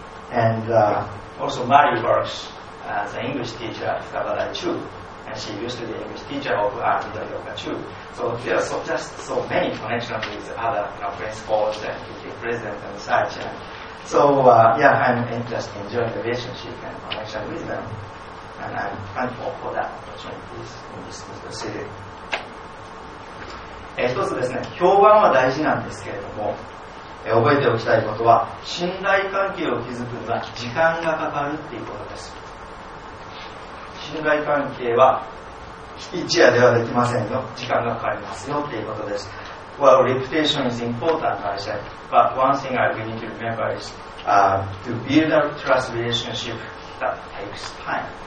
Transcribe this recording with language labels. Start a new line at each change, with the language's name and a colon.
English: And also, Mari works as an English teacher at Kabadai Chu, and she used to be an English teacher of Aramida Yoga Chu. So there are just so many connections with other principals and president and such. And so, yeah, I'm just enjoying the relationship and connection with them. And I'm thankful for that opportunity in this city.
Japanese: 一つですね、評判は大事なんですけれども、覚えておきたいことは、信頼関係を築くには時間がかかるっていうことです。信頼関係は一夜ではできませんよ、時間がかかりますよっていうことです。
English: Well, reputation is important, I said. But one thing I really need to remember is to build a trust relationship, that takes time.